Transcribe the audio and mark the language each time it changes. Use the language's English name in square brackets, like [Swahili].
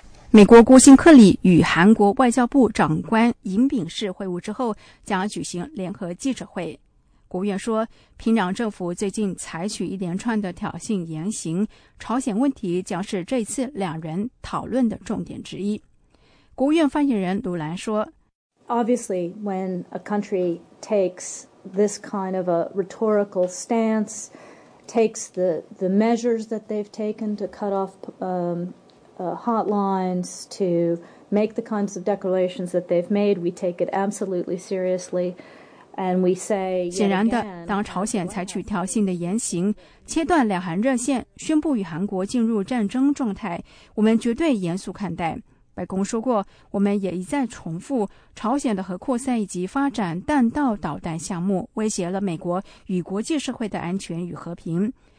[Chinese] 美国国务卿克里与韩国外交部长官尹炳世会晤之后将举行联合记者会。国务院说，平壤政府最近采取一连串的挑衅言行，朝鲜问题将是这次两人讨论的重点之一。国务院发言人鲁兰说， [English] Obviously, when a country takes this kind of a rhetorical stance, takes the measures that they've taken to cut off hotlines, to make the kinds of declarations that they've made, we take it absolutely seriously. [Chinese] 显然的，当朝鲜采取挑衅的言行，切断两韩热线，宣布与韩国进入战争状态，我们绝对严肃看待。白宫说过，我们也一再重复，朝鲜的核扩散以及发展弹道导弹项目威胁了美国与国际社会的安全与和平。